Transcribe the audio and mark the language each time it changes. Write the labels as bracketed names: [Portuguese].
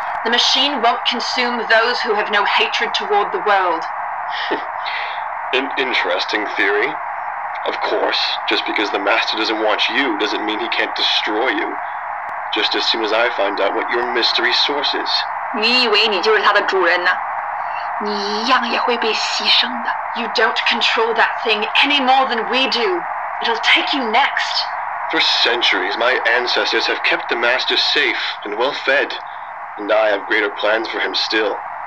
[English] The machine won't consume those who have no hatred toward the world. An interesting theory. Of course, just because the Master doesn't want you doesn't mean he can't destroy you. Just as soon as I find out what your mystery source is. [Chinese] 你以为你就是他的主人呢？你一样也会被牺牲的。 [English] You don't control that thing any more than we do. It'll take you next. For centuries, my ancestors have kept the Master safe and well-fed. And I have greater plans for him still.